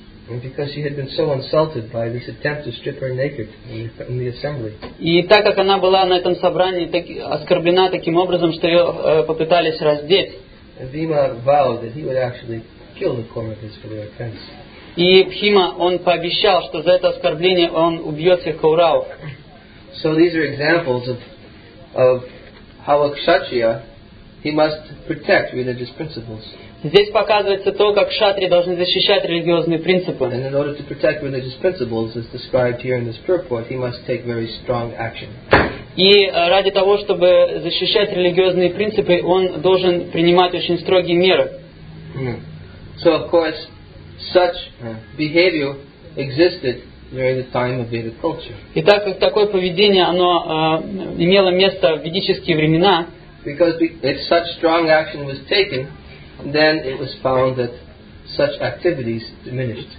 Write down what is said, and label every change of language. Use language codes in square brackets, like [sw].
[en] Because she had been so insulted by this attempt to strip her naked in the assembly. [ru] И так как она была на этом собрании так, оскорблена таким образом, что ее попытались раздеть. [en] Bhima vowed that he would actually kill the Kauravas for their offense. [ru] И Бхима, он пообещал, что за это оскорбление он убьет всех Кауравов. [en] So these are examples of how a Kshatriya, he must protect religious principles. [ru] Здесь показывается то, как кшатри должны защищать религиозные принципы. [en] And in order to protect religious principles, as described here in this purport, he must take very strong action. [ru] И ради того, чтобы защищать религиозные принципы, он должен принимать очень строгие меры. [en] So, of course, such behavior existed during the time of Vedic culture. [ru] И так как такое поведение, оно имело место в ведические времена. [en] Because if such strong action was taken, then it was found that such activities diminished.